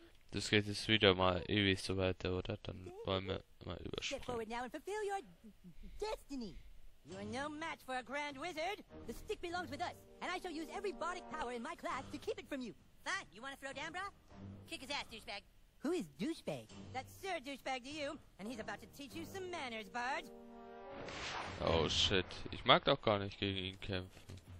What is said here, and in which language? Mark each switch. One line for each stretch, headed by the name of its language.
German: Das geht jetzt wieder mal ewig so weiter, oder? Dann wollen wir mal überspringen.
English: You are no match for a grand wizard. The stick belongs with us, and I shall use every bardic power in my class to keep it from you. Fine, you want to throw down, bro? Kick his ass, douchebag. Who is douchebag? That's Sir Douchebag to you, and he's about to teach you some manners, Bard. Oh shit,
German: ich mag doch gar nicht gegen ihn kämpfen.